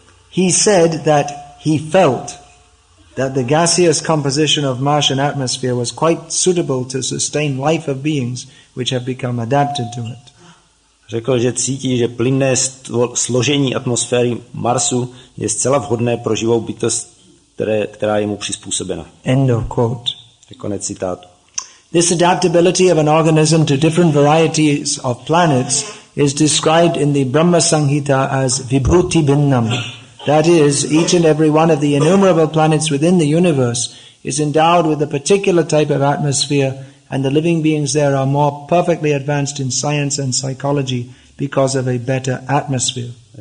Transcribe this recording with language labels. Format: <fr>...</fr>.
<en>He said that he felt that the gaseous composition of Martian atmosphere was quite suitable to sustain life of beings which have become adapted to it.</en> <cs>Řekl, že cítí, že plynné složení atmosféry Marsu je zcela vhodné pro živou bytost, která je mu přizpůsobena.</cs> <en>End of quote.</en> <cs>To je konec citátu.</cs> <en>This adaptability of an organism to different varieties of planets is described in the Brahma Sanghita as vibhuti bhinnam. That is, each and every one of the innumerable planets within the universe is endowed with a particular type of atmosphere, and the living beings there are more perfectly advanced in science and psychology because of a better atmosphere.</en>